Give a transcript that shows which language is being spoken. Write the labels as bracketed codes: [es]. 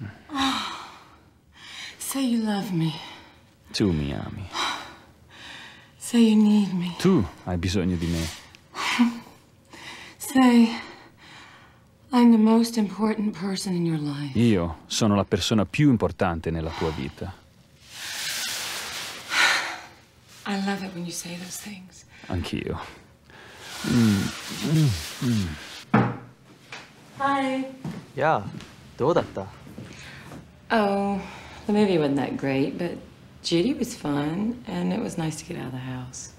[en] Oh, say you love me. To Miami. Say you need me. [it] Tu, hai bisogno di me. [en] Say, I'm the most important person in your life. [it] Io sono la persona più importante nella tua vita. [en] I love it when you say those things. [it] Anch'io. [en] Hi. Yeah, dove datta? Oh, the movie wasn't that great, but Judy was fun, and it was nice to get out of the house.